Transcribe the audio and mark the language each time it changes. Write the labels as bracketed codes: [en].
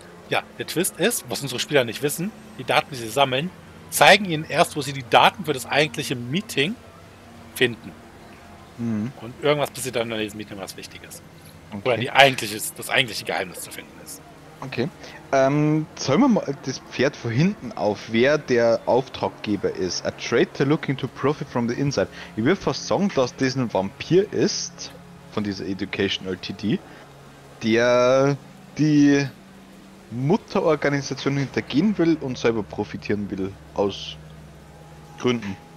[de] Ja, der Twist ist, was unsere Spieler nicht wissen, die Daten, die sie sammeln, zeigen ihnen erst, wo sie die Daten für das eigentliche Meeting finden. Mhm. Und irgendwas passiert dann in diesem Meeting, was wichtig ist. Okay. Oder die eigentliche, das eigentliche Geheimnis zu finden ist. Okay. Sollen wir mal das Pferd von hinten auf, wer der Auftraggeber ist? [en] A traitor looking to profit from the inside. [de] Ich würde fast sagen, dass das ein Vampir ist, von dieser Educational TD, der die Mutterorganisation hintergehen will und selber profitieren will, aus Gründen.